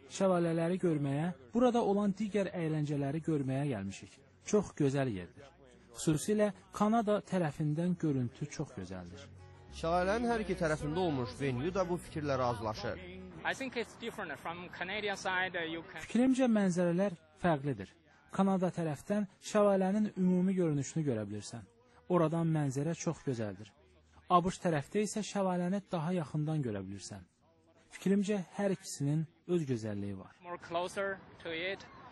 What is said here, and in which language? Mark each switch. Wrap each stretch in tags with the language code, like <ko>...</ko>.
<az>Şəlalələri görməyə, burada olan digər əyləncələri görməyə gəlmişik. Çox gözəl yerdir. Xüsusilə Kanada tərəfindən görüntü çox gözəldir. Şəlalənin hər iki tərəfində olmuş venue da bu fikirlə razılaşır.</az> <en>I think it's different from Canadian side that you can.</en> <az>Fikrimcə mənzərələr fərqlidir. Kanada tərəfdən şəlalənin ümumi görünüşünü görə bilirsən. Oradan mənzərə çox gözəldir. ABŞ tərəfdə isə şəlaləni daha yaxından görə bilirsən. Fikrimcə hər ikisinin öz gözəlliyi var.</az> <en>More closer to it.</en>